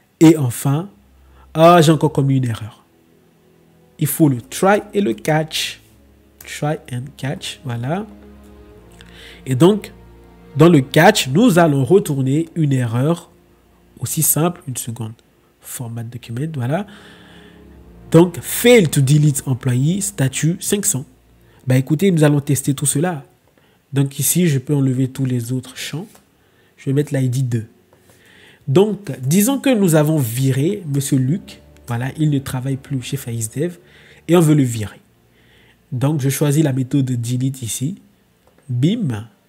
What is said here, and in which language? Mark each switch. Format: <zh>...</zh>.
<fr>Et enfin, ah, j'ai encore commis une erreur. Il faut le try et le catch. Try and catch, voilà. Et donc, dans le catch, nous allons retourner une erreur aussi simple. Une seconde. Format document, voilà. Donc,</fr> <en>fail to delete employee,</en> <fr>statut</fr> <en>500.</en> <fr>Bah écoutez, nous allons tester tout cela. Donc ici, je peux enlever tous les autres champs. Je vais mettre l'ID 2. Donc, disons que nous avons viré M. Luc. Voià, il ne travaille plus chez FaceDev et on veut le virer. Donc, je choisis la méthode delete ici. Bim.</fr>